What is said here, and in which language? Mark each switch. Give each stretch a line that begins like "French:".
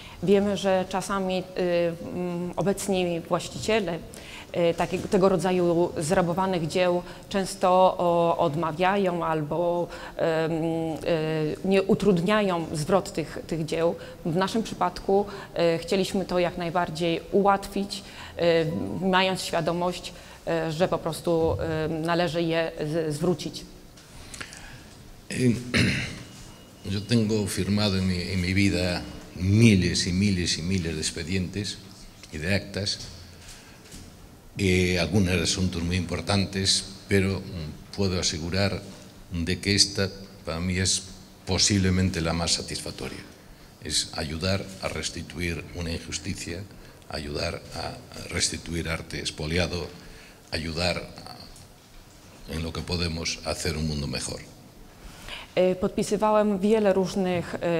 Polish: Wiemy, że czasami obecni właściciele tego rodzaju zrabowanych dzieł często odmawiają albo nie utrudniają zwrot tych dzieł. W naszym przypadku chcieliśmy to jak najbardziej ułatwić, mając świadomość, że po prostu należy je zwrócić.
Spanish: Yo tengo firmado en mi vida miles y miles y miles de expedientes y de actas, algunos asuntos muy importantes, pero puedo asegurar de que esta para mí es posiblemente la más satisfactoria. Es ayudar a restituir una injusticia, ayudar a restituir arte expoliado, ayudar en lo que podemos hacer un mundo mejor.
Polish: Podpisywałem wiele różnych